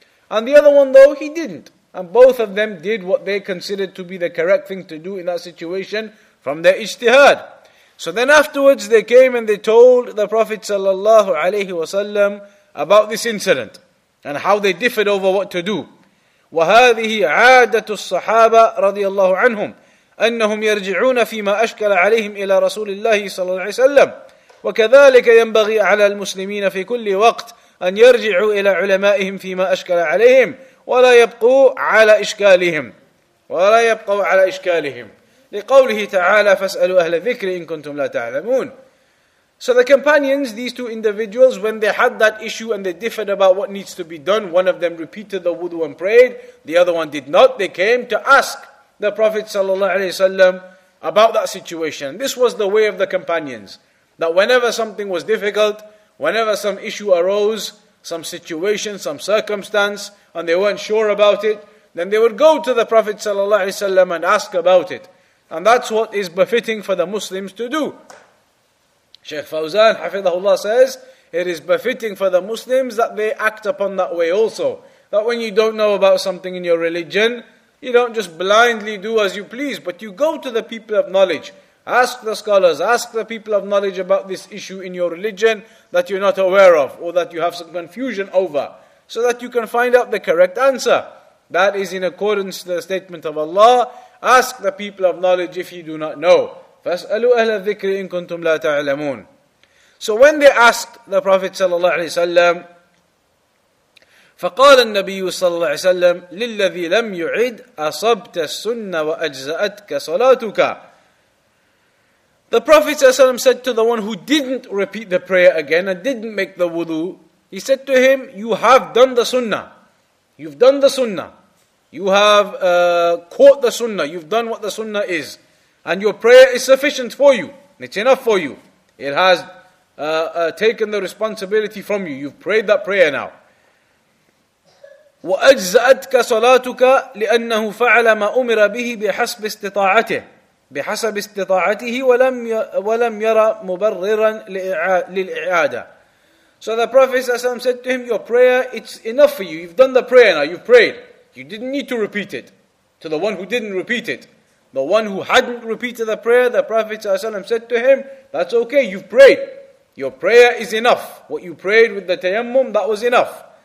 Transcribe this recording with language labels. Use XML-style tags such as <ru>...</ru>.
<en>And the other one though, he didn't. And both of them did what they considered to be the correct thing to do in that situation from their ijtihad. So then afterwards they came and they told the Prophet sallallahu alayhi wasallam about this incident and how they differed over what to do.</en> <ar>وَهَذِهِ عَادَةُ الصَّحَابَةِ رَضِيَ اللَّهُ عَنْهُمْ أَنَّهُمْ يَرْجِعُونَ فِي مَا أَشْكَلَ عَلَيْهِمْ إِلَى رَسُولِ اللَّهِ صَلَّى اللَّهِ وَسَلَّمْ وكذلك ينبغي على المسلمين في كل وقت أن يرجعوا إلى علمائهم فيما أشكل عليهم ولا يبقوا على إشكالهم ولا يبقوا على إشكالهم لقوله تعالى فاسألوا أهل الذكر إن كنتم لا تعلمون.</ar> <en>So the companions, these two individuals, when they had that issue and they differed about what needs to be done, one of them repeated the wudu and prayed, the other one did not, they came to ask the Prophet sallallahu alaihi wasallam about that situation. This was the way of the companions. That whenever something was difficult, whenever some issue arose, some situation, some circumstance, and they weren't sure about it, then they would go to the Prophet ﷺ and ask about it. And that's what is befitting for the Muslims to do. Shaykh Fawzan, hafidhahullah, says, it is befitting for the Muslims that they act upon that way also. That when you don't know about something in your religion, you don't just blindly do as you please, but you go to the people of knowledge. Ask the scholars, ask the people of knowledge about this issue in your religion that you're not aware of or that you have some confusion over, so that you can find out the correct answer. That is in accordance to the statement of Allah. Ask the people of knowledge if you do not know.</en> <ar>فَاسْأَلُوا أَهْلَ الذِّكْرِ إِن كُنْتُمْ لَا تَعْلَمُونَ.</ar> <en>So when they asked the Prophet</en> <ar>ﷺ, فَقَالَ النَّبِيُّ صَلَّى اللَّهُ عَلَيْهِ وَسَلَّمَ لِلَّذِي لَمْ يُعِدْ أَصَبْتَ السُّنَّةَ وَأَجْزَأَتْكَ صَلَاتُكَ.</ar> <en>The Prophet ﷺ said to the one who didn't repeat the prayer again and didn't make the wudu, he said to him, you have done the sunnah. You've done the sunnah. You have caught the sunnah. You've done what the sunnah is. And your prayer is sufficient for you. It's enough for you. It has taken the responsibility from you. You've prayed that prayer now.</en> <ar>وَأَجْزَأَتْكَ صَلَاتُكَ لِأَنَّهُ فَعَلَ مَا أُمِرَ بِهِ بِحَسْبِ اسْتِطَاعَتِهِ بحسب استطاعته ولم يرى مبررا للإعادة.</ar> <en>So the Prophet ﷺ said to him, your prayer, it's enough for you. You've done the prayer now, you've prayed. You didn't need to repeat it. To the one who didn't repeat it. The one who hadn't repeated the prayer, the Prophet ﷺ said to him, that's okay, you've prayed. Your prayer is enough. What you prayed with the tayammum, that was enough.</en>